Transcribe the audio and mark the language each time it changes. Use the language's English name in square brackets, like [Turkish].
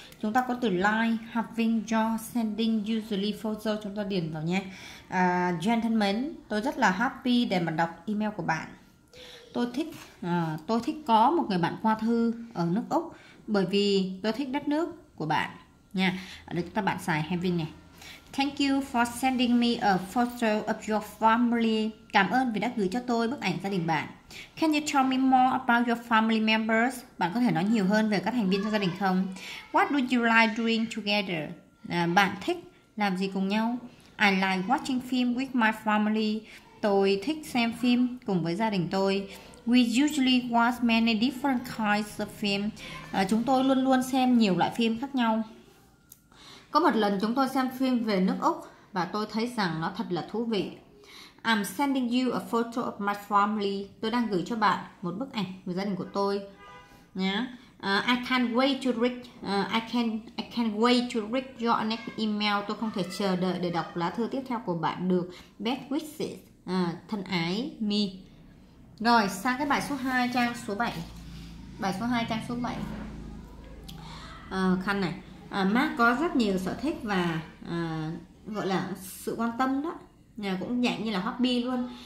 [Vietnamese] Chúng ta có từ like, having, draw, sending, usually, photo, chúng ta điền vào nhé. Gentlemen, tôi rất là happy để mà đọc email của bạn. Tôi thích có một người bạn qua thư ở nước Úc bởi vì tôi thích đất nước của bạn. Nha. Ở đây chúng ta bạn xài having này. [English] Thank you for sending me a photo of your family. [Vietnamese] Cảm ơn vì đã gửi cho tôi bức ảnh gia đình bạn. [English] Can you tell me more about your family members? [Vietnamese] Bạn có thể nói nhiều hơn về các thành viên trong gia đình không? [English] What do you like doing together? [Vietnamese] Bạn thích làm gì cùng nhau? [English] I like watching film with my family. [Vietnamese] Tôi thích xem phim cùng với gia đình tôi. [English] We usually watch many different kinds of film. [Vietnamese] Chúng tôi luôn luôn xem nhiều loại phim khác nhau. Có một lần chúng tôi xem phim về nước Úc và tôi thấy rằng nó thật là thú vị. [English] I'm sending you a photo of my family. [Vietnamese] Tôi đang gửi cho bạn một bức ảnh về gia đình của tôi. [English] I can't wait to read. I can't wait to read your next email. [Vietnamese] Tôi không thể chờ đợi để đọc lá thư tiếp theo của bạn được. [English] Best wishes. [Vietnamese] Thân ái, Mi. Rồi sang cái bài số 2, trang số 7. Bài số 2, trang số 7. Khăn này. Mark có rất nhiều sở thích và gọi là sự quan tâm đó, cũng dạng như là hobby luôn.